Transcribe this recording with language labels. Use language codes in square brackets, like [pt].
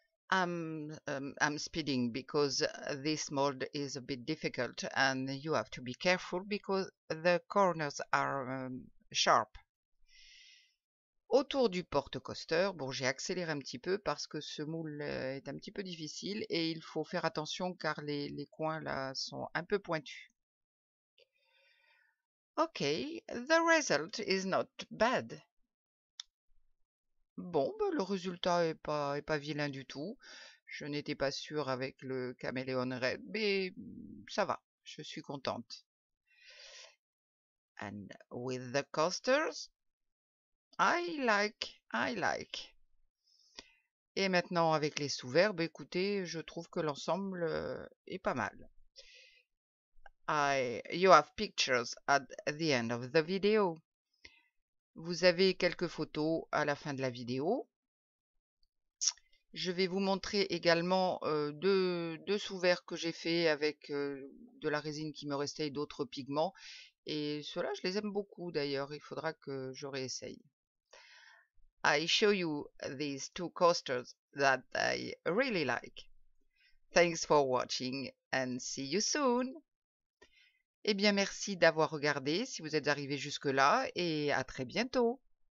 [en] I'm speeding because this mold is a bit difficult and you have to be careful because the corners are sharp. [fr] Autour du porte-coaster, bon, j'ai accéléré un petit peu parce que ce moule est un petit peu difficile et il faut faire attention car les coins là sont un peu pointus. [en] Ok, the result is not bad. [fr] Bon, ben, le résultat est pas vilain du tout. Je n'étais pas sûre avec le caméléon red, mais ça va, je suis contente. [en] And with the coasters, I like. [fr] Et maintenant, avec les sous-verbes, écoutez, je trouve que l'ensemble est pas mal. [en] You have pictures at the end of the video. [fr] Vous avez quelques photos à la fin de la vidéo. Je vais vous montrer également deux sous-verres que j'ai fait avec de la résine qui me restait et d'autres pigments. Et ceux-là, je les aime beaucoup d'ailleurs. Il faudra que je réessaye. [en] I show you these two coasters that I really like. Thanks for watching and see you soon. [fr] Eh bien, merci d'avoir regardé si vous êtes arrivé jusque-là et à très bientôt.